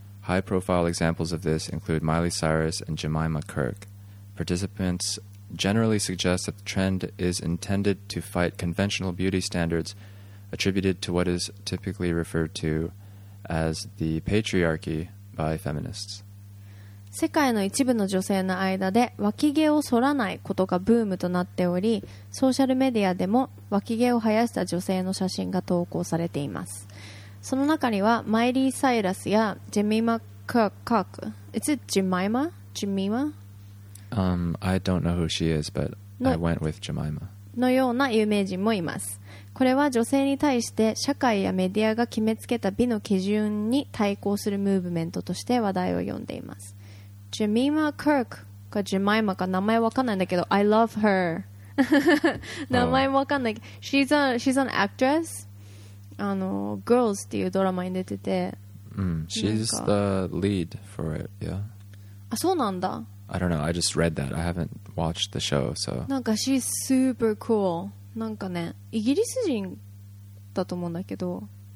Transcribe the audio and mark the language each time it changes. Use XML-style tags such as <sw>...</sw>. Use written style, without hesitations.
<en>High-profile examples of this include Miley Cyrus and Jemima Kirk. Participants... generally suggests that the trend is intended to fight conventional beauty standards attributed to what is typically referred to as the patriarchy by feminists.</en> <ja>世界の一部の女性の間で脇毛を剃らないことがブームとなっており、ソーシャルメディアでも脇毛を生やした女性の写真が投稿されています。その中にはマイリー・サイラスやジェミマ・カーク、</ja> <en>I don't know who she is, but I went with Jemima.</en> <ja>のような有名人もいます。これは女性に対して社会やメディアが決めつけた美の基準に対抗するムーブメントとして話題を呼んでいます。 Jemima Kirk か Jemima か名前わかんないんだけど、</ja> <en>I love her.</en> <ja>名前わかんない。</ja> <en>She's an actress. Girls</en> <ja>っていうドラマに出てて。</ja> <en>She's the lead for it, yeah.</en> <ja>あ、そうなんだ。</ja> <en>I don't know. I just read that. I haven't watched the show, so. なんか she's super cool.</en> <ja>なんかね、イギリス人だと思うんだけど。</ja>